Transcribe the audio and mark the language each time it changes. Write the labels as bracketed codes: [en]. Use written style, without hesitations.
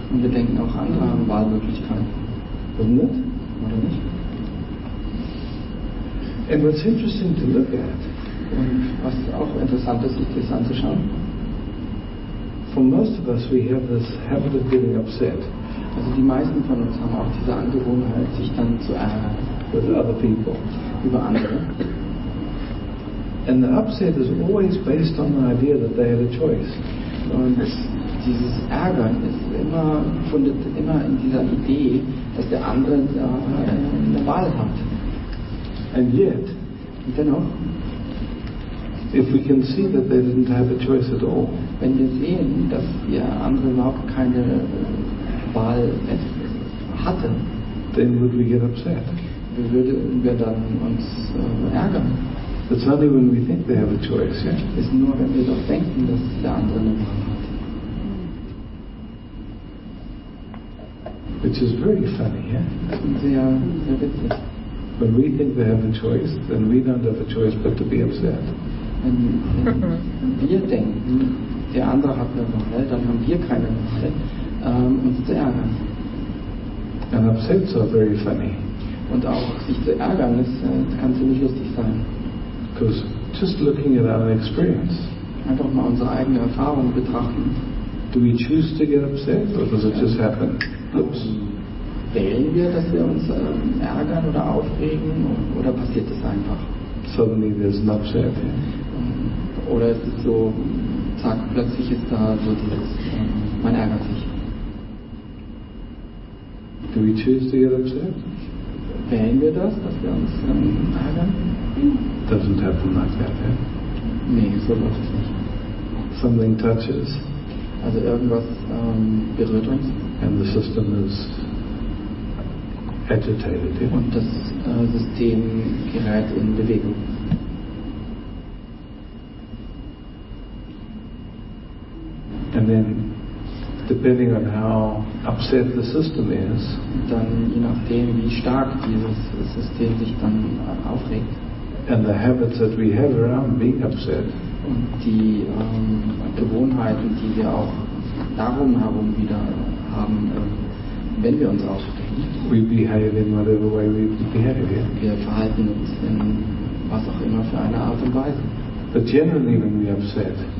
[de] Und wir denken auch, andere haben Wahlmöglichkeiten. [en] Wouldn't it? [de] Oder nicht? [en] And what's interesting to look at. [de] Und was auch interessant ist, sich das anzuschauen. [en] For most of us, we have this habit of getting upset. [de] Also die meisten von uns haben auch diese Angewohnheit, sich dann zu ärgern. [en] With other people. [de] Über andere. [en] And the upset is always based on the idea that they had a choice. [de] Und dieses Ärgern ist fundet immer in dieser Idee, dass der andere eine Wahl hat. [en] And yet. [de] Und dennoch. [en] If we can see that they didn't have a choice at all. [de] Wenn wir sehen, dass die andere überhaupt keine Wahl hatte, [en] then would we get upset. [de] Würden wir dann uns ärgern. [en] It's only when we think they have a choice, yeah? [de] Ist nur, wenn wir doch denken, dass der andere eine Wahl hat. [en] Which is very funny, yeah? [de] Sehr, sehr witzig. [en] When we think they have a choice, then we don't have a choice but to be upset. [de] Wenn wir denken, der andere hat eine Wahl, dann haben wir keine Wahl, uns zu ärgern. [en] And upsets are very funny. [de] Und auch sich zu ärgern, das kann ziemlich lustig sein. [en] Because just looking at our experience. [de] Einfach mal unsere eigene Erfahrung betrachten. [en] Do we choose to get upset or does it just happen? Oops. [de] Wählen wir, dass wir uns ärgern oder aufregen oder passiert es einfach? [en] Suddenly there's an upset. [de] Oder es ist so, zack, plötzlich ist da so dieses, man ärgert sich. [en] Do we choose to get upset? [de] Wählen wir das, dass wir uns ärgern? [en] Doesn't happen like that, yeah? [de] Nee, so läuft es nicht. [en] Something touches. [de] Also irgendwas berührt uns. [en] And the system is agitated, yeah? [de] Und das System gerät in Bewegung. [en] And then depending on how upset the system is, [de] dann je nachdem wie stark dieses System sich dann aufregt, [en] and the habits that we have around being upset, [de] und die Gewohnheiten, die wir auch darum herum wieder haben, wenn wir uns aufregen, [en] we behave in whatever way we behave. [de] Wir verhalten uns in was auch immer für eine Art und Weise. [en] But generally when we upset,